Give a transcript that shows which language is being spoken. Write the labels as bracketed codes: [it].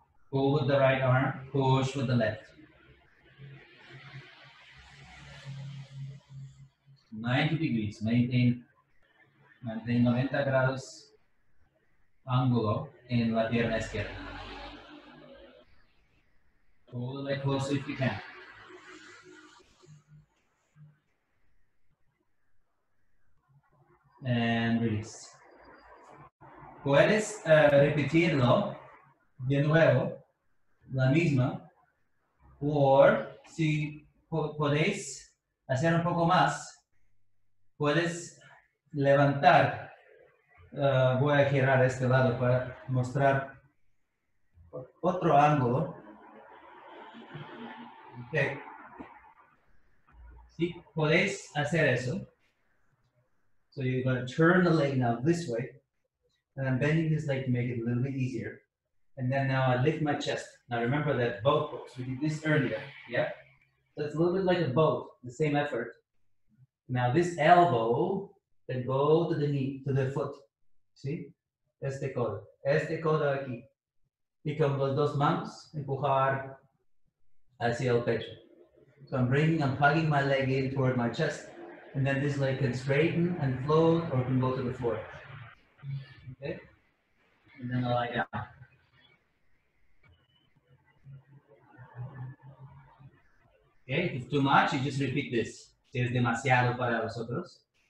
[en] Pull with the right arm, push with the left. 90 degrees, maintain [es] 90 grados ángulo en la pierna izquierda. [en] Pull the leg closer if you can. And release. [es] Puedes repetirlo de nuevo, la misma, or si podéis hacer un poco más, puedes levantar. Voy a girar a este lado para mostrar otro ángulo. [en] Okay. [es] Si podéis hacer eso, [en] so you're going to turn the leg now this way, and I'm bending this leg to make it a little bit easier. And then now I lift my chest. Now remember that boat pose, we did this earlier, yeah? So it's a little bit like a boat, the same effort. Now this elbow, then go to the knee, to the foot. See? [es] Este codo aquí. Y con los dos manos, empujar hacia el pecho. [en] So I'm bringing, I'm plugging my leg in toward my chest, and then this leg can straighten and float or can go to the floor. Okay? And then I lie down. Okay, if too much, you just repeat this. [es] Si es demasiado para vosotros,